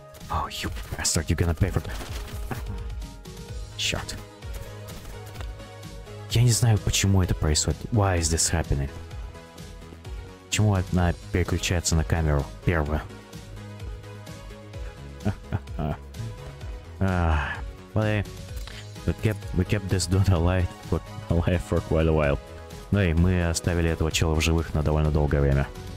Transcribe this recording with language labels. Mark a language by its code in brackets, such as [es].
[en] Oh, you bastard, you're gonna pay for... Shot. [ru] Я не знаю, почему это происходит. [en] Why is this happening? [ru] Почему она переключается на камеру первую? [en] Well, we kept this dude alive for quite a while. [ru] Ну и мы оставили этого чела в живых на довольно долгое время.